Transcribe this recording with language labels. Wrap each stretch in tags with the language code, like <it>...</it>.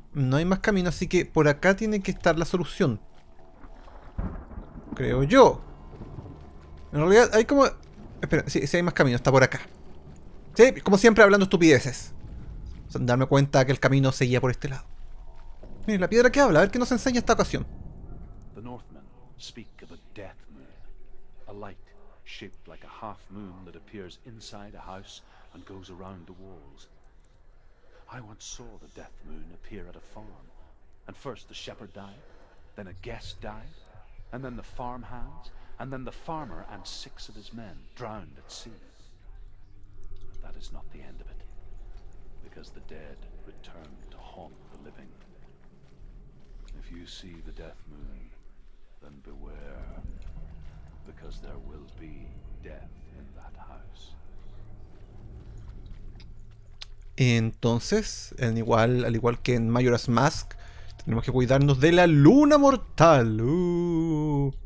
<es>No hay más camino, así que por acá tiene que estar la solución. Creo yo. En realidad, hay como... Espera, sí, sí hay más camino, está por acá. Sí, como siempre hablando estupideces. Sin darme cuenta que el camino seguía por este lado. Mire, la piedra que habla, a ver qué nos enseña esta ocasión.</es> <en>The Northmen speak of a death moon, a light shaped like a half moon that appears inside a house and goes around the walls. I once saw the death moon appear at a farm, and first the shepherd died, then a guest died, and then the farmhands, and then the farmer and six of his men drowned at sea. But that is not the end of it, because the dead return to haunt the living. If you see the death moon, then beware, because there will be death in that house.</en> <es>Entonces, al igual que en Majora's Mask, tenemos que cuidarnos de la luna mortal.</es>